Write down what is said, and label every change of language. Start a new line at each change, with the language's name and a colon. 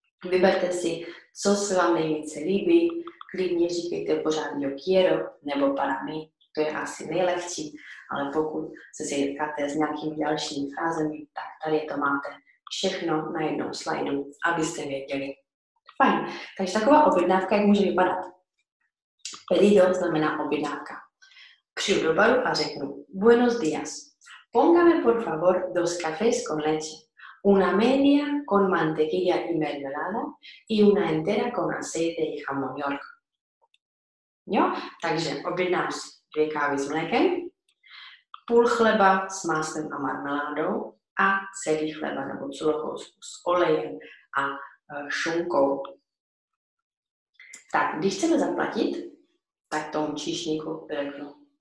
Czech: Vyberte si, co se vám nejvíce líbí, klidně říkejte pořád yo quiero, nebo para mi. To je asi nejlepší, ale pokud se setkáte s nějakými dalšími frázemi, tak tady to máte. Všechno na jednom slajdu, abyste věděli. Fajn. Takže taková objednávka, jak může vypadat? Pedido znamená objednávka.
Spanish: Přijdu do baru a řeknu buenos días. Póngame por favor dos cafés con leche. una media con mantequilla y mermelada y una entera con aceite y jamón york.
Czech: Jo? Takže objednám si dvě kávy s mlékem, půl chleba s máslem a marmeládou a celý chleba nebo culoholsku s olejem a šunkou. Tak, když chceme zaplatit, tak tomu číšníku řeknu.